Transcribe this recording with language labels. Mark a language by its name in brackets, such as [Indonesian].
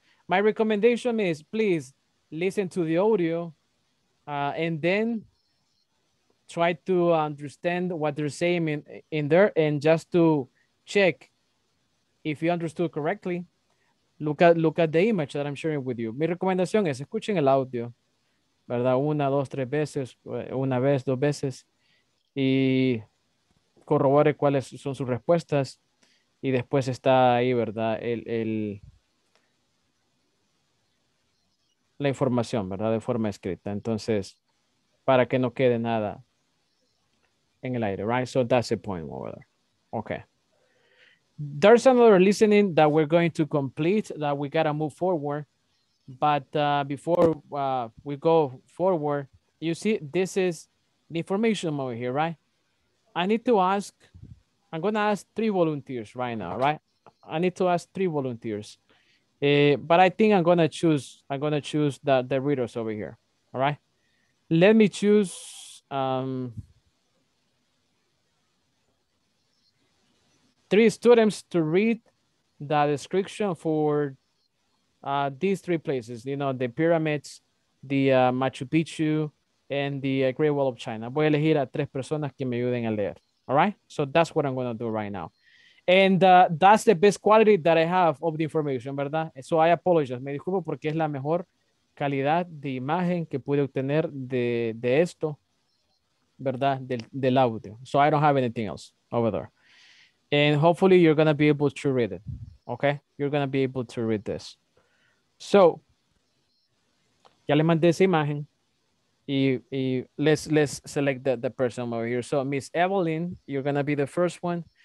[English] My recommendation is please listen to the audio and then try to understand what they're saying in there, and just to check if you understood correctly, look at the image that I'm sharing with you. [Spanish] Mi recomendación es escuchen el audio, ¿verdad? Una, dos, tres veces, una vez, dos veces, y corrobore cuáles son sus respuestas. y después está ahí, ¿verdad? La información, ¿verdad? De forma escrita. Entonces, para que no quede nada en el aire, [English] right? So that's the point over there. Okay. There's another listening that we're going to complete, that we gotta move forward. But before we go forward, you see, this is the information over here, right? I need to ask, I'm gonna ask three volunteers right now, right? I need to ask three volunteers. But I think I'm gonna choose the readers over here. All right. Let me choose three students to read the description for these three places, you know, the pyramids, the Machu Picchu, and the Great Wall of China. [Spanish] Voy a elegir a tres personas que me ayuden a leer. [English] All right. So that's what I'm gonna do right now. And that's the best quality that I have of the information, [Spanish] ¿verdad? [English] So I apologize. [Spanish] Me disculpo porque es la mejor calidad de imagen que pude obtener de esto, ¿verdad? Del audio. [English] So I don't have anything else over there. And hopefully you're going to be able to read it, okay? You're going to be able to read this. So, [Spanish] ya le mandé esa imagen. [English] Y let's select the person over here. So, Miss Evelyn, you're going to be the first one.